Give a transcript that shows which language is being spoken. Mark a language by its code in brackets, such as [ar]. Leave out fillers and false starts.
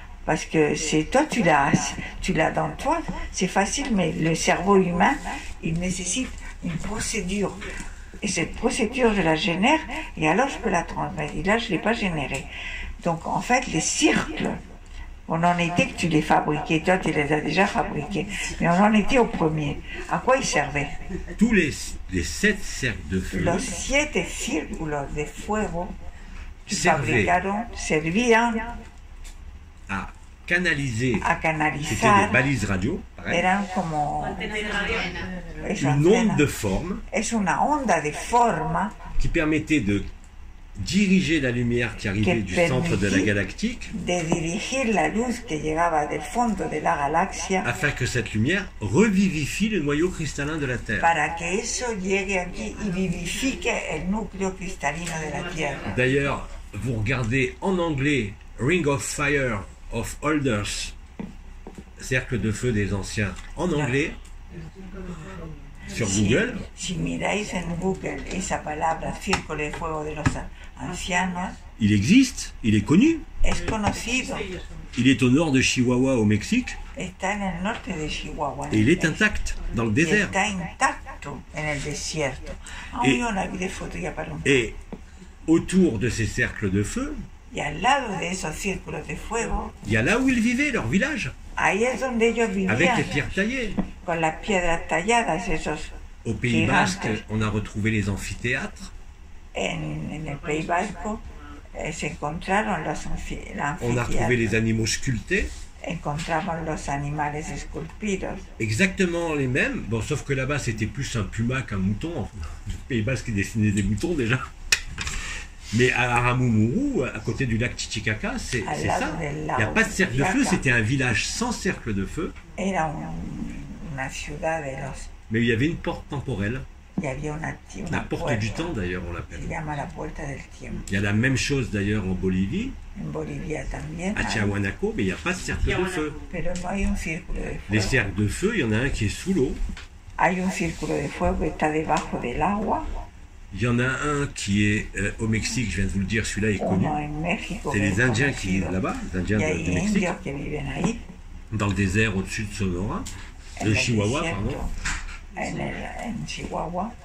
[fr] Parce que c'est toi, tu l'as dans toi, c'est facile, mais le cerveau humain, il nécessite une procédure. Et cette procédure, je la génère, et alors je peux la transmettre. Et là, je ne l'ai pas générée. Donc, en fait, les cycles, on en était que tu les fabriquais. Toi, tu les as déjà fabriqués. Mais on en était au premier. À quoi ils servaient? Tous les 7 cercles de feu. [es] Los 7 círculos de fuego que fabricaron servían [fr] à canaliser. À canaliser. C'était des balises radio. [es] Eran como [fr] une onde de forme. [es] Es una onda de forma [fr] qui permettait de diriger la lumière qui arrivait du centre de la galactique. [es] De dirigir la luz que llegaba del fondo de la galaxia. [fr] Afin que cette lumière revivifie le noyau cristallin de la Terre. [es] Para que eso llegue aquí y vivifique el núcleo cristalino de la Tierra. [fr] D'ailleurs, vous regardez en anglais [en] Ring of Fire of Elders. [fr] Cercle de feu des anciens en anglais sur Google. [es] Si miráis en Google esa palabra círculo de fuego de los ancianos, [fr] il existe, il est connu. [es] Es conocido. [fr] Il est au nord de Chihuahua au Mexique. [es] Está en el norte de Chihuahua. [fr] Et il est intact dans le désert. [es] Está intacto en el desierto. [fr] Ah oui, on a vu des photos, il y a pas longtemps. Et autour de ces cercles de feu, [es] y al lado de esos círculos de fuego, [fr] il y a là où ils vivaient leur village. [es] Ahí es donde ellos vivían, [fr] avec les pierres taillées. [es] Con las piedras talladas, esos. [fr] Au Pays Basque, on a retrouvé les amphithéâtres. [es] En el País Vasco se encontraron los anfiteatros. [fr] On a retrouvé les animaux sculptés. [es] Encontramos los animales esculpidos. [fr] Exactement les mêmes, bon, sauf que là-bas c'était plus un puma qu'un mouton. Le Pays Basque dessinait des moutons déjà. Mais à Aramumuru, à côté du lac Titicaca, c'est ça. Il n'y a pas de cercle de feu, c'était un village sans cercle de feu. [es] Era una ciudad de los. [fr] Mais il y avait une porte temporelle. [es] Y había una [fr] la porte puerta. Du temps, d'ailleurs, on l'appelle. [es] Se llama la puerta del tiempo. [fr] Il y a la même chose, d'ailleurs, en Bolivie. [es] En Bolivia también. [fr] À Tiahuanaco, mais il n'y a pas de cercle de feu. [es] Pero no hay un círculo de fuego. [fr] Les cercles de feu, il y en a un qui est sous l'eau. [es] Hay un círculo de fuego que está debajo del agua. [fr] Il y en a un qui est au Mexique, je viens de vous le dire, celui-là est connu. C'est les Indiens qui vivent là-bas, les Indiens du Mexique. Dans le désert au-dessus de Sonora, le Chihuahua, pardon.